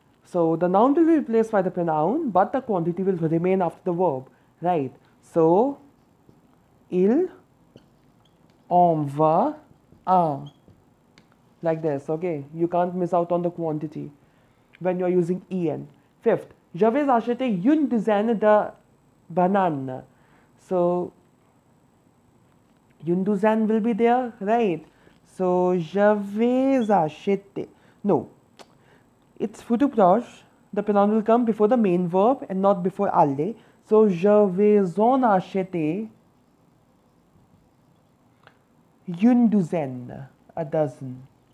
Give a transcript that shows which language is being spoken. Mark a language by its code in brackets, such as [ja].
[en] So, the noun will be replaced by the pronoun, but the quantity will remain after the verb. Right. [fr] So, il en veut un. [en] Like this, okay? You can't miss out on the quantity when you're using en. Fifth, [fr] je vais acheter une douzaine de bananes. [en] So, une douzaine will be there, right? [fr] So, je vais acheter. [en] No. It's [fr] futur proche. [en] The pronoun will come before the main verb and not before aller. [fr] So, je vais en acheter une douzaine, [en] a dozen.